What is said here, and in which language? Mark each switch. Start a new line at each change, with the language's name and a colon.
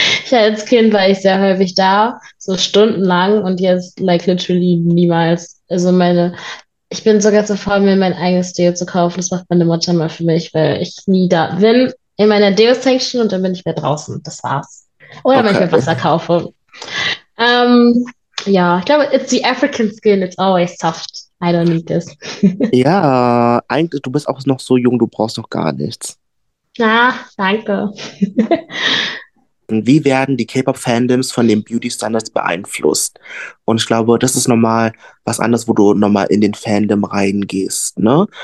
German: Als Kind war ich sehr häufig da, so stundenlang, und jetzt
English: like literally
German: niemals. Also ich bin sogar zu faul, mir mein eigenes Deo zu kaufen. Das macht meine Mutter mal für mich, weil ich nie da bin in meiner Deo-Section, und dann bin ich mehr draußen. Das war's. Oder manchmal Okay. Wasser kaufe. Ja, ich glaube,
English: it's the African skin, it's always soft. I don't need this.
German: Ja, eigentlich, du bist auch noch so jung, du brauchst noch gar nichts. Ah, danke. Wie werden die K-Pop-Fandoms von den Beauty-Standards beeinflusst? Und ich glaube, das ist nochmal was anderes, wo du nochmal in den Fandom reingehst, ne?